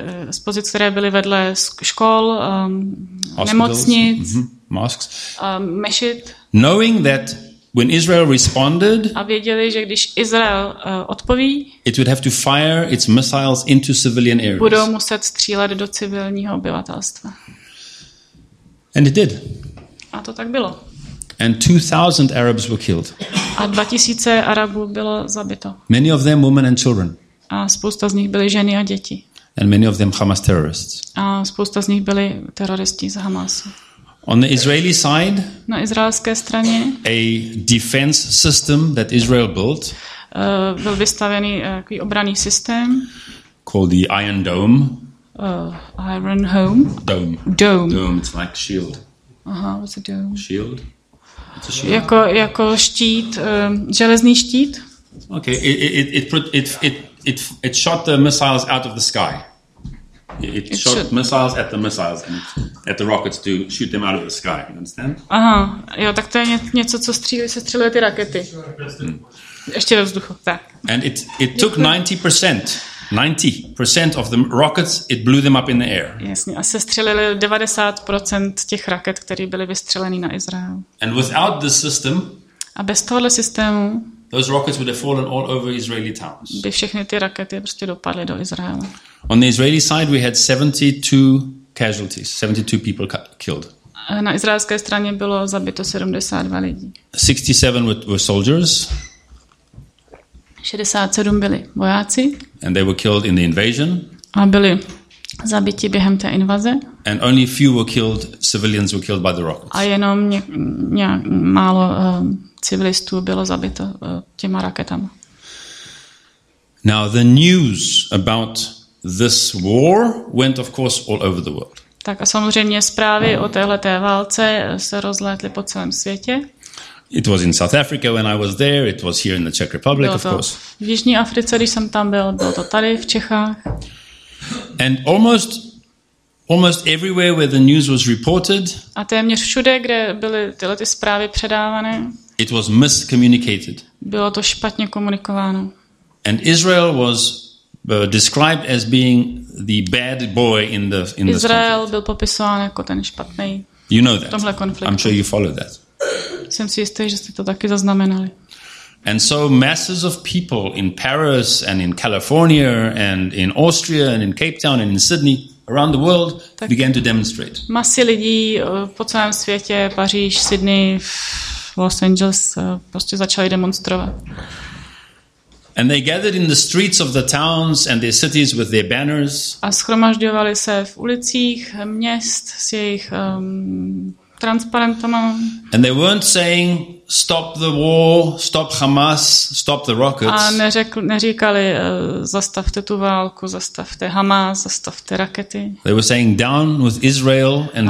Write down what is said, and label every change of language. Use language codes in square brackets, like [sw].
[cs] Z pozic, které byly vedle škol, nemocnic, [en] mosques. [cs] Mešit. [en] Knowing that when Israel responded, [cs] a věděli, že když Izrael odpoví, [en] it would have to fire its missiles into civilian areas. [cs] Budou muset střílet do civilního obyvatelstva. [en] And it did. [cs] A to tak bylo. [en] And 2000 Arabs were killed. [cs] A 2000 Arabů bylo zabito. [en] Many of them women and children. [cs] A spousta z nich byly ženy a děti. [en] And many of them Hamas terrorists. [cs] A spousta z nich byly teroristi z Hamasu. [en] On the Israeli side, [cs] na izraelské straně, [en] a defense system that Israel built, [cs] byl vystavený takový obranný systém, [en] called the Iron Dome. Iron Home. Dome. Dome. Dome. It's like shield. Aha, what's a dome? Shield. [cs] Jako štít, železný štít. [en] Okay, it shot the missiles out of the sky. It shot missiles at the missiles and at the rockets to shoot them out of the sky. You understand? [cs] Aha, jo, tak to je něco, co se střílí ty rakety. Ještě ve vzduchu, tak. [en] And it took 90% of the rockets, it blew them up in the air. [cs] Jasně, a sestřelili 90% těch raket, které byly vystřeleny na Izrael. [en] And without the system, [cs] a bez tohoto systému, [en] those rockets would have fallen all over Israeli towns. [cs] By všechny ty rakety prostě dopadly do Izraela. [en] On the Israeli side we had 72 casualties, 72 people killed. [cs] Na izraelské straně bylo zabito 72 lidí. [en] 67 were soldiers. [cs] 67 byli vojáci. [en] And they were killed in the invasion. [cs] A byli zabiti během té invaze. [en] And only few were killed, civilians were killed by the rockets. [cs] A jenom nějak málo civilistů bylo zabito těma raketama. [en] Now the news about this war went of course all over the world. [cs] Tak a samozřejmě zprávy o téhleté válce se rozlétly po celém světě. [en] It was in South Africa when I was there, it was here in the Czech Republic, of course. [cs] V Jižní Africe, když jsem tam byl, bylo to tady v Čechách. [en] And almost everywhere where the news was reported, [cs] a téměř všude, kde byly tyhle ty zprávy předávané, [en] it was miscommunicated. [cs] Bylo to špatně komunikováno. [en] And Israel was described as being the bad boy in the [cs] Israel byl popisován jako ten špatný. [en] You know that. [cs] V tomhle konfliktu. [en] I'm sure you follow that. [cs] Jsem si jistý, že jste to taky zaznamenali. [en] And so masses of people in Paris and in California and in Austria and in Cape Town and in Sydney around the world tak began to demonstrate. [cs] Masy lidí po celém světě, Paříž, Sydney, Los Angeles prostě začali demonstrovat. [en] And they gathered in the streets of the towns and their cities with their banners. [cs] A shromažďovali se v ulicích měst s jejich transparentama. [en] And they weren't saying stop the war, stop Hamas, stop the rockets. [cs] A neříkali zastavte tu válku, zastavte Hamas, zastavte rakety. [en] They were saying down with Israel and